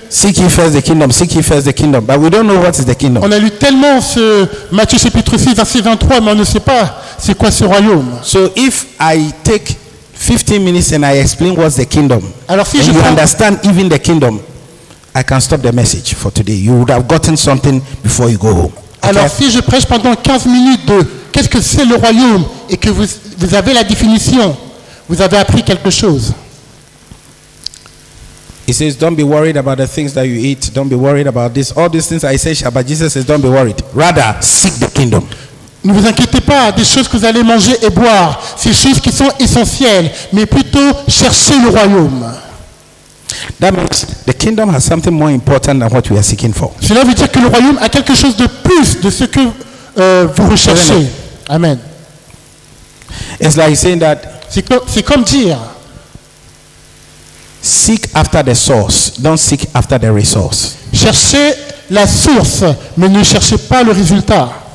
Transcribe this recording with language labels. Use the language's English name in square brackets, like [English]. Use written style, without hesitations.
[English] seek ye first the kingdom, seek ye first the kingdom, but we don't know what is the kingdom. [French] On a lu tellement ce Matthieu chapitre 6 verset 23, mais on ne sait pas c'est quoi ce royaume. [English] So if I take 15 minutes and I explain what's the kingdom, [French] alors si [English] and [French] je [English] you understand even the kingdom, I can stop the message for today. You would have gotten something before you go home. Okay? [French] Alors si je prêche pendant 15 minutes de qu'est-ce que c'est le royaume et que vous avez la définition, vous avez appris quelque chose. [English] He says, don't be worried about the things that you eat. Don't be worried about this. All these things I say shall, but Jesus says, don't be worried. Rather, seek the kingdom. [French] Ne vous inquiétez pas des choses que vous allez manger et boire. Ces choses qui sont essentielles. Mais plutôt, cherchez le royaume. [English] That means the kingdom has something more important than what we are seeking for. [French] Cela veut dire que le royaume a quelque chose de plus de ce que vous recherchez. [English] Amen. It's like saying that. [French] C'est comme dire. [English] Seek after the source, don't seek after the resource. [French] Cherchez la source, mais ne cherchez pas le résultat.